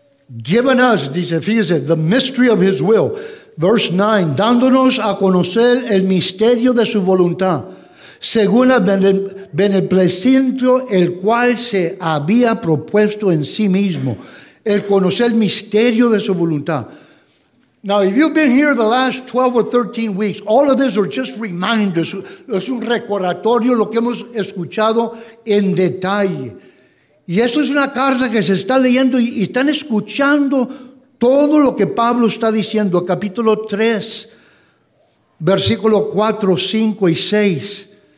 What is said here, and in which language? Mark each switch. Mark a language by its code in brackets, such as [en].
[en] given us, [es] dice, fíjese, [en] the mystery of his will. Verse 9, [es] dándonos a conocer el misterio de su voluntad, según el beneplácito el cual se había propuesto en sí mismo. El conocer el misterio de su voluntad. [en] Now, if you've been here the last 12 or 13 weeks, all of these are just reminders. [es] Es un recordatorio lo que hemos escuchado en detalle. Y eso es una carta que se está leyendo y están escuchando todo lo que Pablo está diciendo. Capítulo 3, versículo 4, 5 y 6.